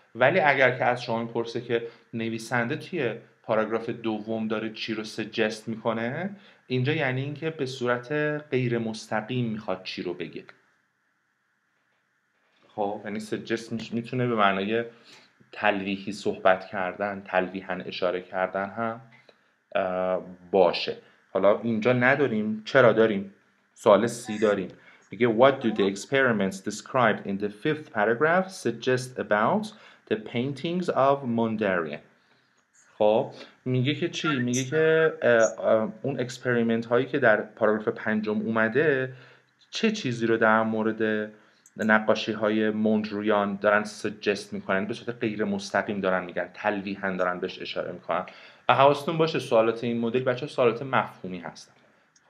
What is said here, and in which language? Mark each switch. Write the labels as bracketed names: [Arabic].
[Persian] ولی اگر که از شما میپرسه که نویسنده توی پاراگراف دوم داره چی رو سجست میکنه، اینجا یعنی اینکه به صورت غیر مستقیم میخواد چی رو بگه. خب یعنی سجست میتونه به معنای تلویحی صحبت کردن، تلویحاً اشاره کردن هم باشه. حالا اینجا نداریم. چرا داریم؟ سوال 30 داریم. میگه [English] What do the experiments described in the fifth paragraph suggest about the paintings of Mondrian. [Persian] خب میگه که چی؟ میگه که اون اکسپریمنت هایی که در پاراگراف پنجم اومده چه چیزی رو در مورد نقاشی های موندرویان دارن سجست میکنن، به صورت غیر مستقیم دارن میگن، تلویحاً دارن بهش اشاره میکنن. و حواستون باشه سوالات این مدل بچه سوالات مفهومی هستن. خب